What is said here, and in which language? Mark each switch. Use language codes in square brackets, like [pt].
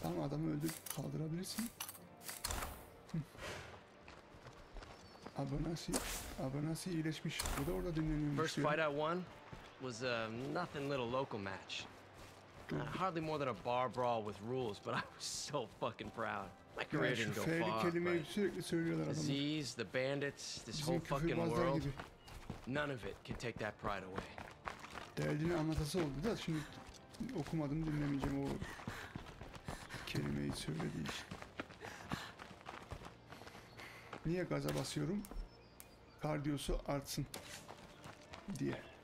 [tr] Adamı öldürüp kaldırabilirsin. Abanasi iyileşmiş. O da orada dinleniyormuş. [en] First fight I won was a nothing little local match. Hardly more than a bar brawl with rules, but I was so fucking proud. My career didn't go far. [tr] Kelimeyi sürekli söylüyorlar adamlar. [en] The Z's, the bandits, this whole fucking world. None of it can take that pride away. [tr] Derdini anlatası oldu da şimdi okumadım dinlemeyeceğim o kelimeyi söylediği için. Niye gaza basıyorum? Kardiyosu artsın diye.